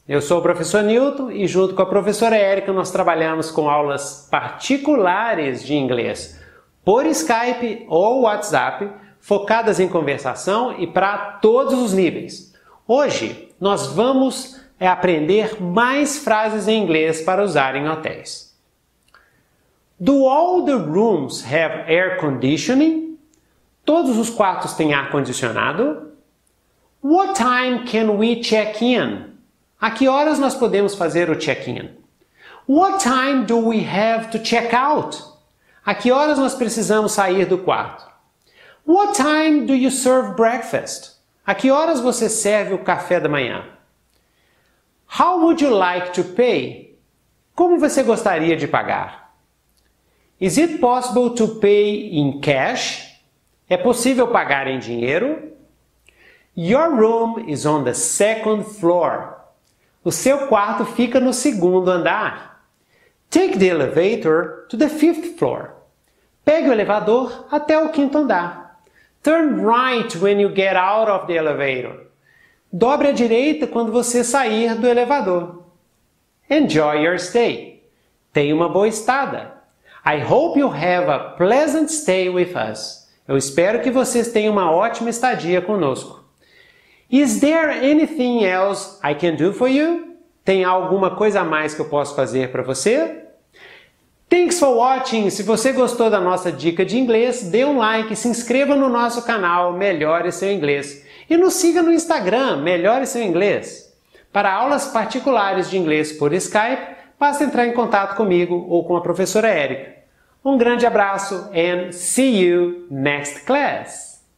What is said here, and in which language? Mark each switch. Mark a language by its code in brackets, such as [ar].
[pt] Eu sou o professor Newton e junto com a professora Erika nós trabalhamos com aulas particulares de inglês por Skype ou WhatsApp, focadas em conversação e para todos os níveis. Hoje nós vamos aprender mais frases em inglês para usar em hotéis. [en] Do all the rooms have air conditioning? [pt] Todos os quartos têm ar-condicionado? [en] What time can we check in? [pt] A que horas nós podemos fazer o check-in? [en] What time do we have to check out? [pt] A que horas nós precisamos sair do quarto? [en] What time do you serve breakfast? [pt] A que horas você serve o café da manhã? [en] How would you like to pay? [pt] Como você gostaria de pagar? [en] Is it possible to pay in cash? [pt] É possível pagar em dinheiro? [en] Your room is on the second floor. [pt] O seu quarto fica no segundo andar. [en] Take the elevator to the fifth floor. [pt] Pegue o elevador até o quinto andar. [en] Turn right when you get out of the elevator. [pt] Dobre à direita quando você sair do elevador. [en] Enjoy your stay. [pt] Tenha uma boa estada. [en] I hope you have a pleasant stay with us. [pt] Eu espero que vocês tenham uma ótima estadia conosco. [en] Is there anything else I can do for you? [pt] Tem alguma coisa a mais que eu posso fazer para você? [en] Thanks for watching! [pt] Se você gostou da nossa dica de inglês, dê um like e se inscreva no nosso canal Melhore Seu Inglês. E nos siga no Instagram Melhore Seu Inglês. Para aulas particulares de inglês por Skype, basta entrar em contato comigo ou com a professora Erika. Um grande abraço [en] and see you next class!